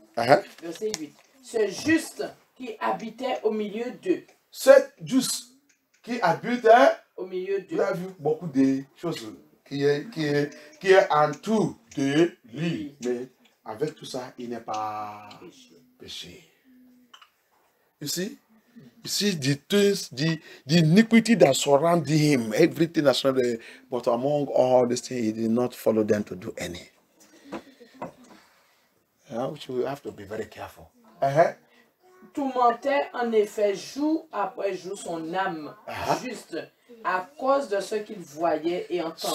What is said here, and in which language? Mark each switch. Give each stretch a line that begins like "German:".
French: Verset 8. Ce juste qui habitait au milieu d'eux. Ce juste qui habite au milieu d'eux. Vous avez vu beaucoup de choses qui est en tout de lui. Oui. Mais avec tout ça, il n'est pas péché. Ici.
English: You see the things, the iniquity that surround him, everything that surrounded him, but among all these things, he did not follow them to do any. Which we have to be very careful.
French: Tourmentait en effet jour après jour son âme, juste à cause de ce qu'il voyait et entendait.